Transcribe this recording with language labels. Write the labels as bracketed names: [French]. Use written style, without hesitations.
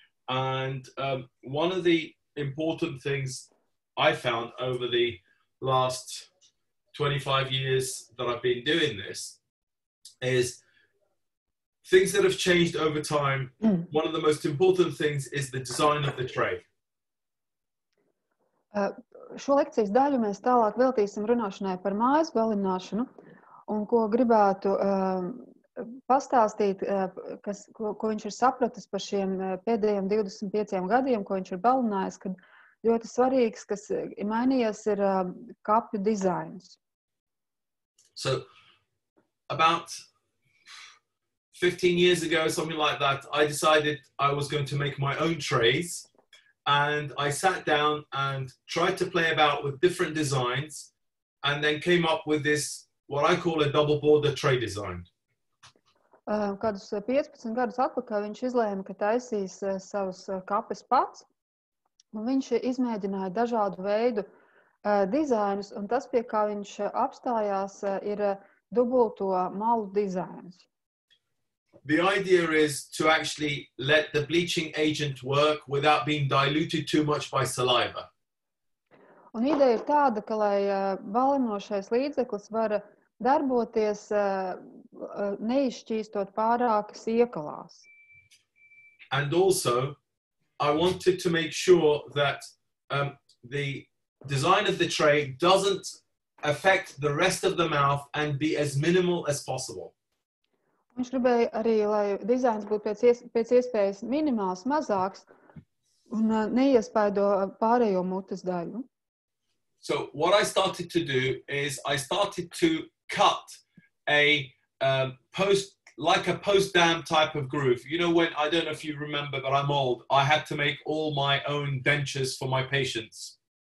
[English] And one of the important things I found over the last 25 years that I've been doing this is things that have changed over time. One of the most important things is the design of the tray. [Latvian] Šo lekcijas daļu mēs tālāk veltīsim runāšanai par mājas balināšanu un ko gribētu pastāstīt, kas, ko viņš ir sapratis par šiem pēdējiem 25 gadiem, ko viņš ir balinājis, kad ļoti svarīgs, kas ir mainījies, ir kapju dizains. [English] So, about 15 years ago, something like that, I decided I was going to make my own trays. And I sat down and tried to play about with different designs and then came up with this, what I call a double border tray design. [Latvian] Kādus 15 gadus atpakaļ viņš izlēma, ka taisīs savus kapes pats. Un viņš izmēģināja dažādu veidu dizainus un tas, pie kā viņš apstājās, ir dubulto malu dizains. [English] The idea is to actually let the bleaching agent work without being diluted too much by saliva. [Latvian] Un ideja ir tāda, ka lai balinošais līdzeklis var darboties neizšķīstot pārākas iekalās. [English] And also, I wanted to make sure that the design of the tray doesn't affect the rest of the mouth and be as minimal as possible. [Latvian] Viņš gribēja arī, lai dizains būtu pēc iespējas minimāls, mazāks un neiespaido pārējo mutes daļu. [English] So what I started to do is I started to cut a post, like a post-dam type of groove. You know when, I don't know if you remember, but I'm old, I had to make all my own dentures for my patients.